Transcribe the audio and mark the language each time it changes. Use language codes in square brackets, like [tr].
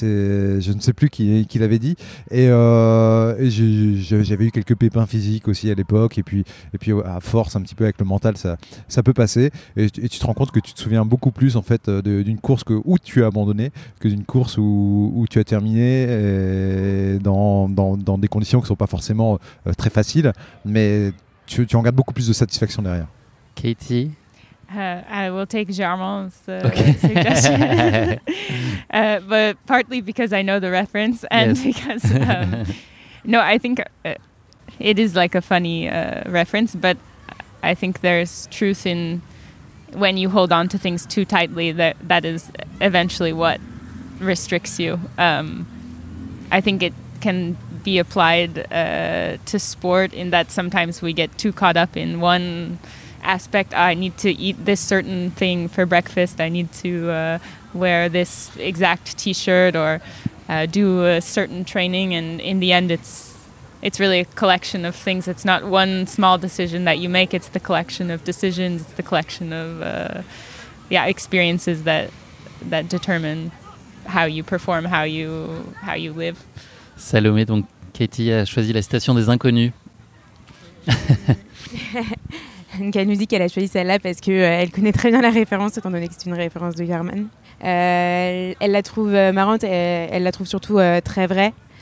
[fr] Je ne sais plus qui l'avait dit, et j'avais eu quelques pépins physiques aussi à l'époque, et puis à force un petit peu avec le mental, ça peut passer, et tu te rends compte que tu te souviens beaucoup plus en fait d'une course où tu as abandonné terminé que d'une course où tu as terminé dans des conditions qui ne sont pas forcément très faciles, mais tu en gardes beaucoup plus de satisfaction derrière. Katie? [en] I will take Germain's suggestion. but partly because I know the reference and yes. because... no, I think it is like a funny reference, but I think there's truth in when you hold on to things too tightly, that is eventually what restricts you. I think it can be applied to sport in that sometimes we get too caught up in one aspect. I need to eat this certain thing for breakfast. I need to wear this exact t-shirt or do a certain training. And in the end, it's really a collection of things. It's not one small decision that you make. It's the collection of decisions. It's the collection of experiences that determine how you perform, how you live. [fr] Salomé, donc Katie a choisi la citation des inconnus. Donc elle nous dit qu'elle a choisi celle-là parce qu'elle connaît très bien la référence, étant donné que c'est une référence de Garman. Elle la trouve marrante et elle la trouve surtout très vraie.